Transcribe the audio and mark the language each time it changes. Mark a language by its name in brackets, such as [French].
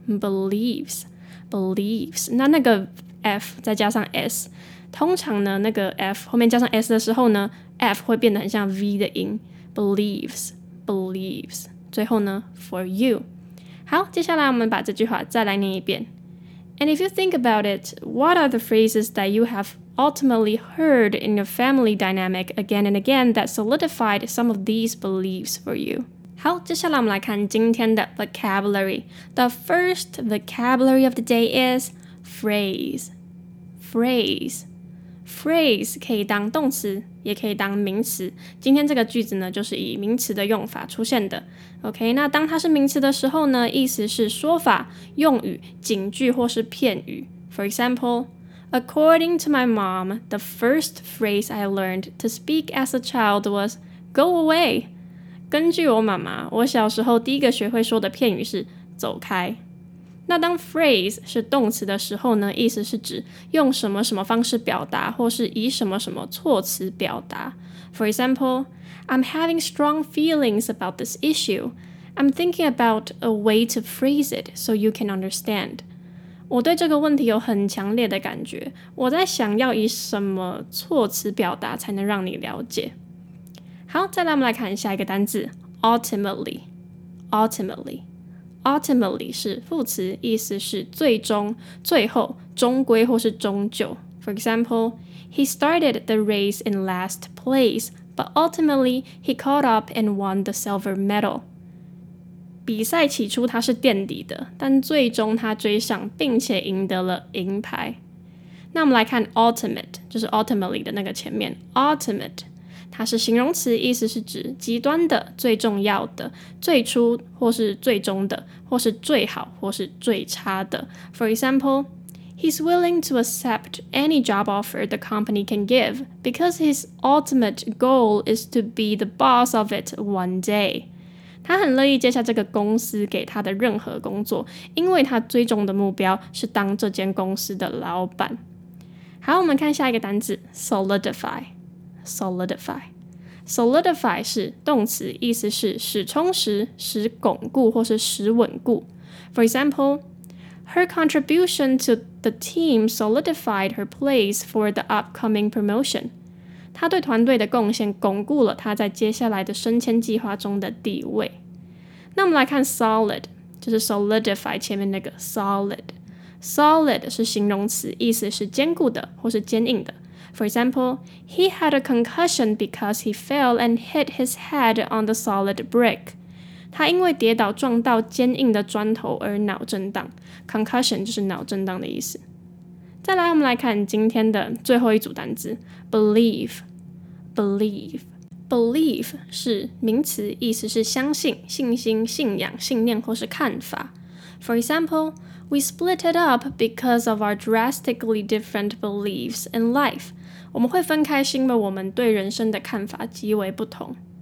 [English] beliefs, beliefs. [Chinese] 那那个 F 再加上 S， 通常呢，那个 F 后面加上 S 的时候呢 ，F 会变得很像 V 的音。 [English] Beliefs, beliefs. [Chinese] 最后呢 [English] ，for you. [Chinese] 好，接下来我们把这句话再来念一遍。 [English] And if you think about it, what are the phrases that you have ultimately heard in your family dynamic again and again that solidified some of these beliefs for you? [Chinese] 好，接下来我们来看今天的 vocabulary. [English] The first vocabulary of the day is phrase. Phrase. [Chinese] Phrase 可以当动词，也可以当名词。今天这个句子呢，就是以名词的用法出现的。OK， 那当它是名词的时候呢，意思是说法、用语、警句或是片语。 [English] For example,According to my mom, the first phrase I learned to speak as a child was go away. [Chinese] 根据我妈妈，我小时候第一个学会说的片语是走开。那当 phrase 是动词的时候呢，意思是指用什么什么方式表达，或是以什么什么措辞表达。 [English] For example, I'm having strong feelings about this issue. I'm thinking about a way to phrase it so you can understand. [Chinese] 我对这个问题有很强烈的感觉，我在想要以什么措辞表达才能让你了解。好，再来我们来看下一个单字 ultimately, ultimately, ultimately 是副词，意思是最终、最后、终归或是终究。 [English] For example, he started the race in last place, but ultimately he caught up and won the silver medal. [Chinese] 比赛起初他是垫底的，但最终他追上并且赢得了银牌。那我们来看 ultimate， 就是 ultimately 的那个前面 ultimate， 它是形容词，意思是指极端的、最重要的、最初或是最终的，或是最好或是最差的。 [English] For example, he's willing to accept any job offer the company can give because his ultimate goal is to be the boss of it one day. [Chinese] 他很乐意接下这个公司给他的任何工作，因为他最终的目标是当这间公司的老板。好，我们看下一个单字 solidify。 solidify。 solidify 是动词，意思是使充实、使巩固或是使稳固。 [English] For example, her contribution to the team solidified her place for the upcoming promotion. [Chinese] 他对团队的贡献巩固了他在接下来的升迁计划中的地位。那我们来看 solid， 就是 solidify 前面那个 solid。 solid 是形容词，意思是坚固的或是坚硬的。 [English] For example, he had a concussion because he fell and hit his head on the solid brick. [Chinese] 他因为跌倒撞到坚硬的砖头而脑震荡。 concussion 就是脑震荡的意思。再来我们来看今天的最后一组单字 Believe Believe Believe 是名词，意思是相信、信心、信仰、信念或是看法。 [English] For example, we split it up because of our drastically different beliefs in life. [Chinese] 我们会分开是因为我们对人生的看法极为不同。